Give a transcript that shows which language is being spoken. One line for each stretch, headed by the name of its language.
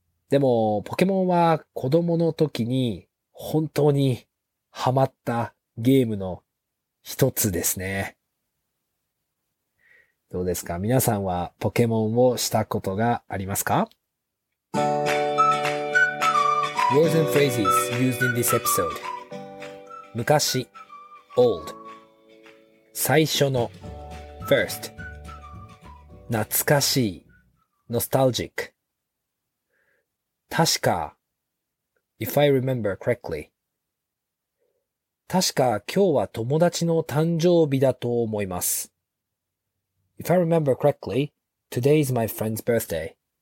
Japanese: でも、ポケモンは子供の時に本当にハマったゲームの一つですね。どうですか？皆さんはポケモンをしたことがありますか？
English: Words and phrases used in this episode.
Japanese: 昔 old 最初の first, 懐かしい。nostalgic。 確か。
English: if I remember correctly。
Japanese: 確か今日は友達の誕生日だと思います。
English: if I remember correctly, today is my friend's birthday.